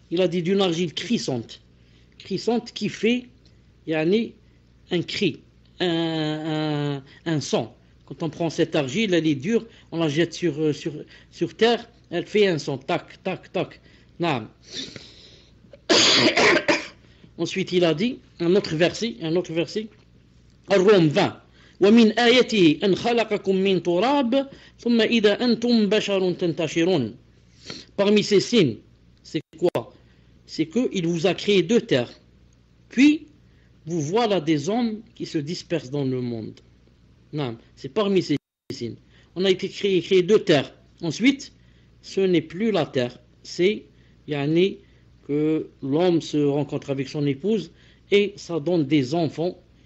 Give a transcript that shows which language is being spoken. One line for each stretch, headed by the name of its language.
French: Il a dit d'une argile crissante. Crissante qui fait, il y a un cri, un son. Quand on prend cette argile, elle est dure, on la jette sur terre, elle fait un son. Tac, tac, tac. Non. Ensuite, il a dit un autre verset. Rome 20.
Arabic: ومن آياته أن خلقكم من تراب ثم إذا أنتم بشر تنتشرون.
French: Parmi ces signes, c'est quoi? C'est qu'il vous a créé deux terres. Puis, vous voilà des hommes qui se dispersent dans le monde. Non, c'est parmi ces signes. On a été créé deux terres. Ensuite, ce n'est plus la terre. C'est yani, que l'homme se rencontre avec son épouse et ça donne des enfants.